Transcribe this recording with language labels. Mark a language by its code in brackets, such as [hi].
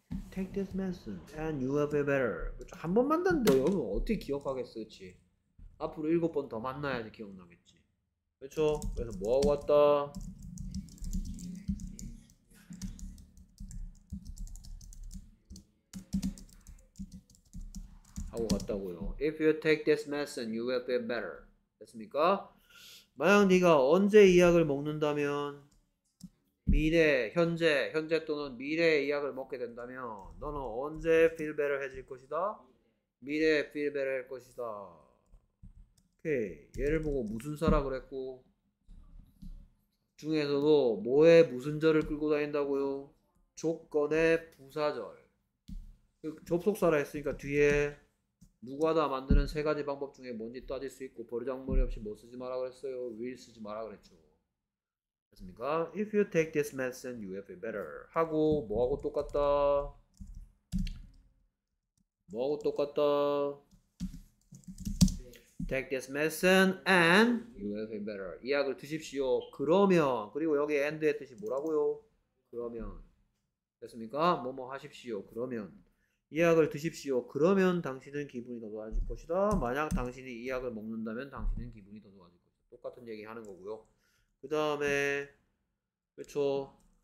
[en] Take this medicine and you will feel better. [ko] 그렇죠. 한 번 만났는데 여러분 어떻게 기억하겠어요? 그치? 앞으로 일곱 번 더 만나야지 기억나겠지. 그렇죠? 그래서 뭐하고 왔다? 하고 갔다고요. [en] If you take this medicine, you will feel better. [ko] 됐습니까? 만약 네가 언제 이 약을 먹는다면 미래, 현재, 현재 또는 미래의 이약을 먹게 된다면 너는 언제 [en] feel better [ko] 해질 것이다? 미래에 [en] feel better [ko] 할 것이다. 오케이. 얘를 보고 무슨 사라 그랬고 중에서도 뭐에 무슨 절을 끌고 다닌다고요? 조건의 부사절. 접속사라 했으니까 뒤에 누구하다 만드는 세 가지 방법 중에 뭔지 따질 수 있고 버르장머리 없이 뭐 쓰지 마라 그랬어요? will 쓰지 마라 그랬죠. 됐습니까? [en] If you take this medicine, you will feel better. [ko] 하고 뭐하고 똑같다? 뭐하고 똑같다? [en] Take this medicine and you will feel better. [ko] 이 약을 드십시오. 그러면, 그리고 여기 and의 뜻이 뭐라고요? 그러면. 됐습니까? 뭐뭐 하십시오. 그러면. 이 약을 드십시오. 그러면 당신은 기분이 더 좋아질 것이다. 만약 당신이 이 약을 먹는다면 당신은 기분이 더 좋아질 것이다. 똑같은 얘기 하는 거고요. 그 다음에, 그쵸.